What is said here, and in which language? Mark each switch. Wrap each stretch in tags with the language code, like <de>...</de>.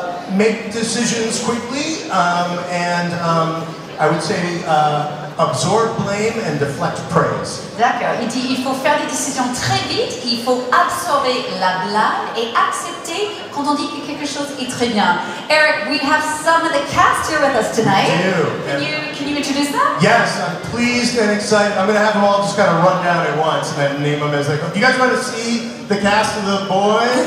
<en>Make decisions quickly, I would say absorb blame and deflect praise.</en> <fr>D'accord. Il dit il faut faire des décisions très vite, il faut absorber la blâme et accepter quand on dit que quelque chose est très bien.</fr> <en>Eric, we have some of the cast here with us tonight. We do. Can you introduce them? Yes, I'm pleased and excited. I'm going to have them all just kind of run down at once and then name them as they come. You guys want to see the cast of The Boys?</en>